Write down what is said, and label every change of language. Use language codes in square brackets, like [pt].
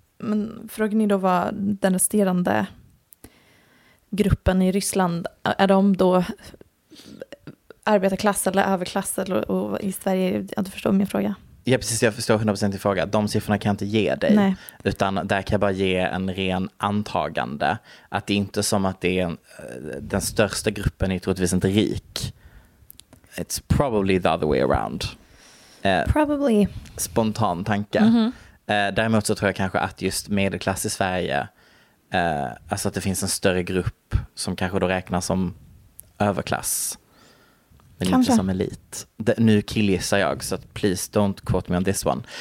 [sv] men frågan är då vad den resterande gruppen i Ryssland, är de då arbetarklass eller överklass eller, och i Sverige, jag förstår min fråga. Ja, precis, jag förstår 100% din fråga. De siffrorna kan jag inte ge dig. Nej. Utan där kan jag bara ge en ren antagande. Att det inte är som att det är den största gruppen är troligtvis inte rik. [en] It's probably the other way around. Probably. [sv] Spontan tanke. Mm-hmm. Däremot så tror jag kanske att just medelklass i Sverige, alltså att det finns en större grupp som kanske då räknas som överklass. Men kanske inte som elit. Nu killgissar jag, så att [en] please don't quote me on this one.